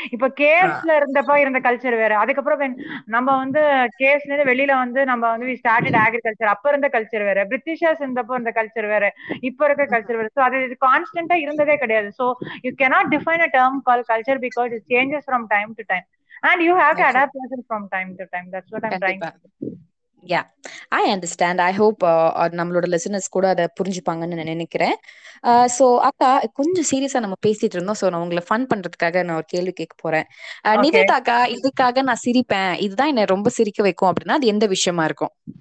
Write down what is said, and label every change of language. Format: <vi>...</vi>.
<ta>இப்ப கேவ்ஸ்ல இருந்தப்ப இருந்த கல்ச்சர் வேற, அதுக்கப்புறம் நம்ம வந்து கேவ்ஸ்ல இருந்து வெளியில வந்து நம்ம வந்து</ta> <en>we started agriculture,</en> <ta>அப்ப இருந்த கல்ச்சர் வேற, பிரிட்டிஷர்ஸ் இருந்தப்போ இருந்த கல்ச்சர் வேற, இப்ப இருக்க கல்ச்சர் வேற. ஸோ அது கான்ஸ்டன்டா இருந்ததே கிடையாது.</ta> <en>So you cannot define a term call culture because it changes from time to time. And you have to adapt yourself from time to time. That's what I'm trying to say. Yeah, I understand. I hope</en> <ta>நம்மளோட listeners கூட அதை புரிஞ்சுப்பாங்கன்னு நான் நினைக்கிறேன். So அக்கா, கொஞ்சம் சீரியஸா நம்ம பேசிட்டு இருந்தோம். ஸோ நான் உங்களை ஃபன் பண்றதுக்காக நான் ஒரு கேள்வி கேட்க போறேன். நிவேதா அக்கா, இதுக்காக நான் சிரிப்பேன், இதுதான் என்ன ரொம்ப சிரிக்க வைக்கும் அப்படின்னா அது எந்த விஷயமா இருக்கும்?</ta>